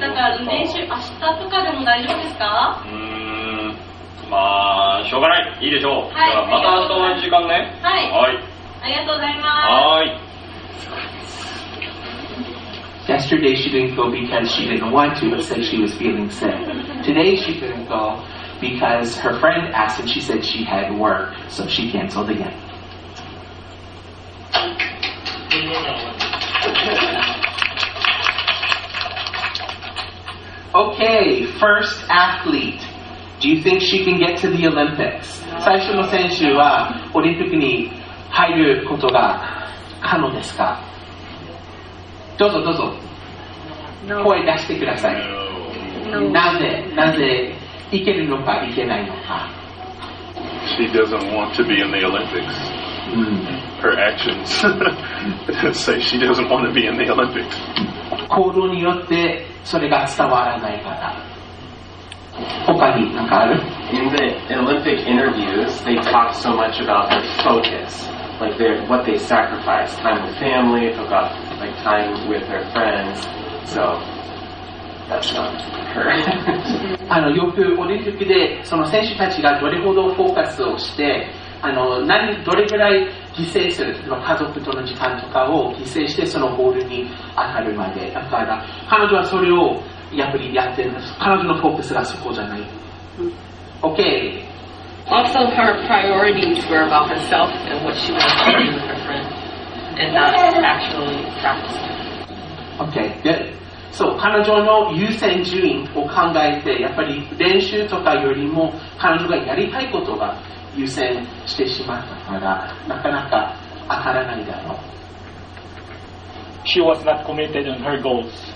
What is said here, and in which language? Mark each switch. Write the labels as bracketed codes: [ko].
[ja] だから練習明日とかでも大丈夫ですか？まあしょうがない、いいでしょう。はい、じゃあまた明日の時間ね。はい、はい、ありがとうございます。はい。 [en] Yesterday she didn't go because she didn't want to, but said she was feeling sick. Today she couldn't go because her friend asked and she said she had work, so she canceled again. Okay, first athlete. Do you think she can get to the Olympics? [ja] 最初の選手はオリンピックに入ることが可能ですか？どうぞどうぞ。 [en] No. [ja] 声出してください。 [en] No. [ja] なぜなぜいけるのかいけないのか。 [en] She doesn't want to be in the Olympics.、 Mm. Her actions say she doesn't want to be in the Olympics. [ja] 行動によってそれが伝わらないから。他に何かある？ [en] In the Olympic interviews, they talk so much about their focus. Like they, what they sacrificed, time with family, took up like time with their friends, so that's not her. [ja] あのよくオリンピックでその選手たちがどれほどフォーカスをして、あの何どれぐらい犠牲する、家族との時間とかを犠牲してそのゴールに当たるまで、だから彼女はそれをやっぱりやってる、彼女のフォーカスがそこじゃない。 [en] OK。 Also, her priorities were about herself and what she wanted to do with her friend, and not actually practicing. Okay, good. [ja] So, 彼女の優先順位を考えて、やっぱり練習とかよりも彼女がやりたいことが優先してしまったから、なかなか当たらないだろう。 [en] She was not committed on her goals.